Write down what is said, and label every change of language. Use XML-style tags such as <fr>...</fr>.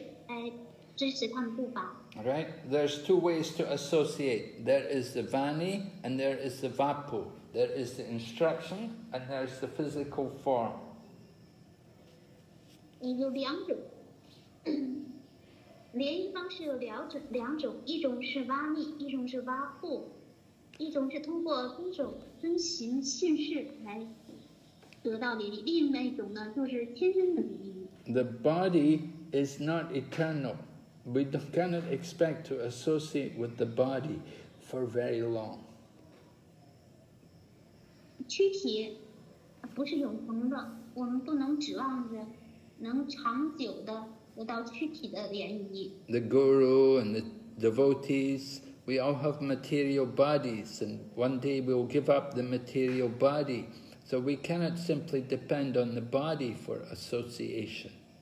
<en>Right? There's two ways to associate. There is the vani and there is the vapu. There is the instruction and there is the physical form.</en> <zh>有两种联谊方式有两种一种是瓦密一种是瓦库一种是通过遵守遵行信誓来得到联谊另外一种呢就是天生的联谊。</zh> <en>The body is not eternal. We cannot expect to associate with the body for very long.</en> <zh>躯体不是永恒的, 我们不能指望着</zh> <en>The guru and the devotees, we all have material bodies, and one day we will give up the material body. So we cannot simply depend on the body for association.</en>